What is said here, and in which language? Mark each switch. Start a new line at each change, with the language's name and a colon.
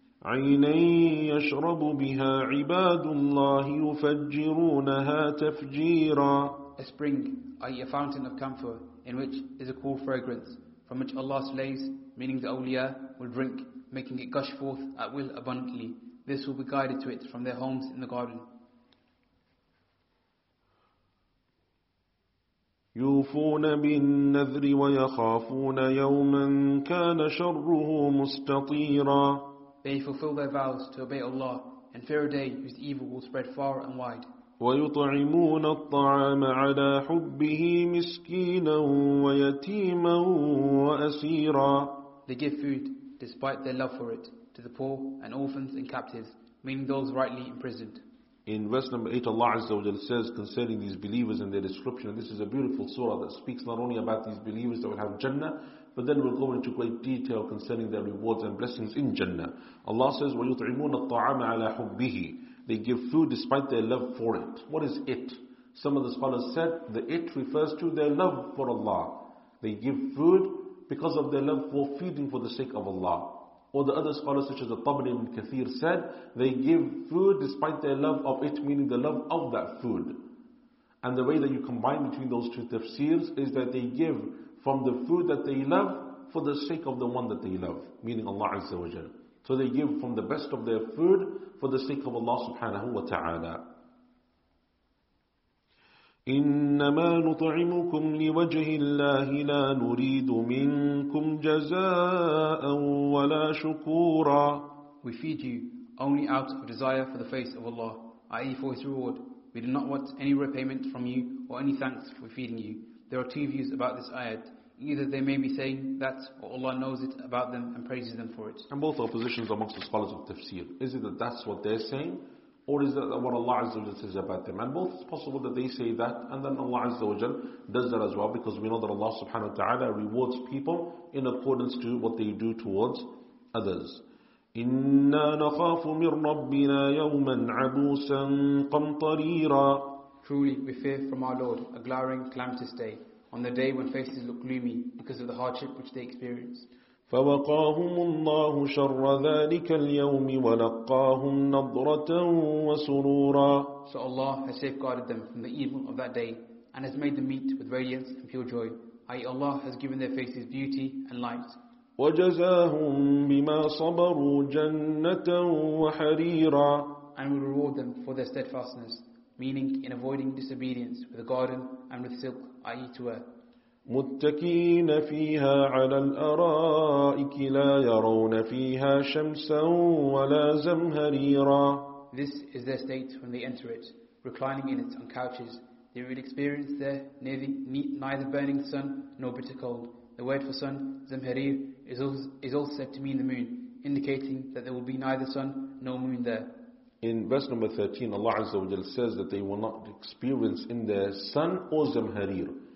Arabic: عَيْنًا يَشْرَبُ بِهَا عِبَادُ اللَّهِ يُفَجِّرُونَهَا تَفْجِيرًا
English: A spring, i.e. a fountain of camphor, in which is a cool fragrance, from which Allah's slaves, meaning the awliya, will drink, making it gush forth at will abundantly. This will be guided to it from their homes in the garden.
Arabic: يوفون بالنذر ويخافون يوما كان شره مستطيرا
English: They fulfill their vows to obey Allah and fear a day whose evil will spread far and wide.
Arabic: ويطعمون الطعام على حبه مسكينا ويتيما وأسيرا
English: They give food despite their love for it, to the poor and orphans and captives, meaning those rightly imprisoned. In verse number 8, Allah Azza wa Jalla says concerning these believers and their description, and this is a beautiful surah that speaks not only about these believers that will have Jannah, but then we'll go into great detail concerning their rewards and blessings in Jannah. Allah says,
Arabic: وَيُطْعِمُونَ الطَّعَامَ عَلَى حُبِّهِ
English: They give food despite their love for it. What is it? Some of the scholars said, the it refers to their love for Allah. They give food because of their love for feeding for the sake of Allah. Or the other scholars such as the Tabari ibn Kathir said, they give food despite their love of it, meaning the love of that food. And the way that you combine between those two tafsirs is that they give from the food that they love for the sake of the one that they love, meaning Allah Azza wa Jal. So they give from the best of their food for the sake of Allah subhanahu wa ta'ala.
Arabic: إنما نطعمكم لوجه الله لا نريد منكم جزاء ولا شكورا
English: We feed you only out of desire for the face of Allah, i.e. for His reward. We do not want any repayment from you or any thanks for feeding you. There are two views about this ayat. Either they may be saying that or Allah knows it about them and praises them for it. And both are positions amongst the scholars of tafsir. Is it that that's what they're saying? Or is that what Allah Azza wa Jal says about them? And both, it's possible that they say that, and then Allah Azza wa Jal does that as well, because we know that Allah subhanahu wa ta'ala rewards people in accordance to what they do towards others.
Arabic: إِنَّا نَخَافُ مِن رَبِّنَا يَوْمًا عَبُوسًا قَمْطَرِيرًا
English: Truly, we fear from our Lord a glaring, calamitous day, on the day when faces look gloomy because of the hardship which they experience.
Arabic: فوقاهم الله شر ذلك اليوم ولقاهم نظرة وسرورا
English: So Allah has safeguarded them from the evil of that day and has made them meet with radiance and pure joy. i.e. Allah has given their faces beauty and light.
Arabic: وجزاهم بما صبروا جنة وحريرا
English: And will reward them for their steadfastness, meaning in avoiding disobedience with a garden and with silk, i.e. to earth.
Arabic: متكئين فيها على الأرائك لا يرون فيها شمسا ولا زمهريرا
English: This is their state when they enter it, reclining in it on couches. They will experience there neither burning sun nor bitter cold. The word for sun, zamharir, is also said to mean the moon, indicating that there will be neither sun nor moon there. In verse number 13, Allah Azza wa Jal says that they will not experience in their sun or zamharir.